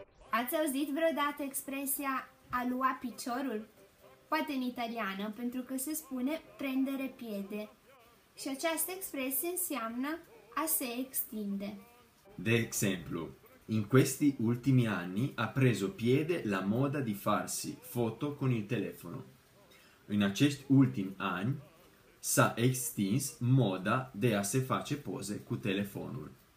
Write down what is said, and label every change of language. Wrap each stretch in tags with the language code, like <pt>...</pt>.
<ro>Ați auzit vreodată expresia a lua piciorul? Poate în italiană, pentru că se spune</ro> <it>prendere piede.</it> <ro>Și această expresie înseamnă a se extinde. De exemplu,</ro> <it>In questi ultimi anni ha preso piede la moda di farsi foto con il telefono.</it> <ro>In acest ultim an s-a extins moda de a se face poze cu telefonul.</ro>